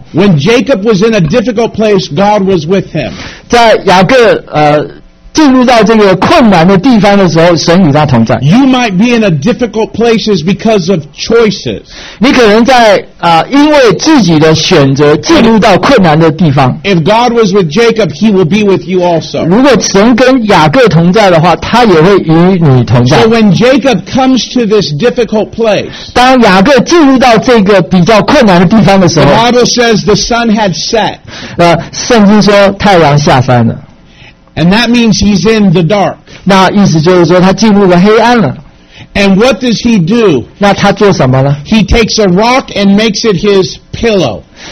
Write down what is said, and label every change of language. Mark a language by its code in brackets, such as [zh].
[en] When Jacob was in a difficult place, God was with him. [zh] 在雅各进入到这个困难的地方的时候，神与他同在。 [en] You might be in a difficult place because of choices. [zh] 你可能在因为自己的选择进入到困难的地方。 [en] If God was with Jacob, he will be with you also. [zh] 如果神跟雅各同在的话，他也会与你同在。 [en] So when Jacob comes to this difficult place, [zh] 当雅各进入到这个比较困难的地方的时候， [en] The Bible says the sun had set. [zh] 圣经说太阳下山了。 [en] And that means he's in the dark. [zh] 那意思就是说他进入了黑暗了。And [en] what does he do? [zh] 那他做什么呢? [en] He takes a rock and makes it his pillow.